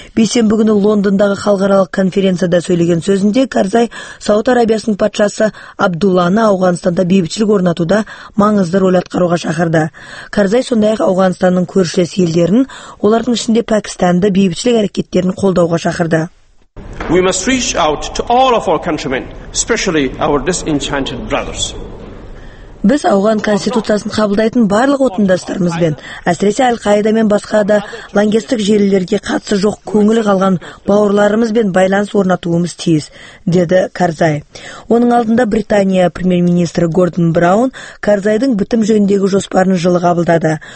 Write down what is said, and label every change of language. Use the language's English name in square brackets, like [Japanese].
[Kazakh] Бейсенбі күні Лондондағы халықаралық конференцияда сөйлеген сөзінде Карзай Сауд Арабиясының патшасы Абдулланы Ауғанстанда бейбітшілік орнатуда маңызды рөл атқаруға шақырды. Карзай сондай-ақ Ауғанстанның көршілес елдерін, олардың ішінде Пәкістанды бейбітшілік әрекеттерін қолдауға шақырды. [English] We must reach out to all of our countrymen, especially our disenchanted brothers. [Kazakh] Біз Ауған конституциясын қабылдайтын барлық отандастарымызбен, әсіресе Аль-Қаида мен басқа да лаңкестік желілерге қатысы жоқ көңілі қалған бауырларымызбен байланыс орнатуымыз тиіс, деді Карзай. Оның алдында Британия премьер-министрі Гордон Браун Карзайдың бітім жөніндегі жоспарын жылы қабылдады.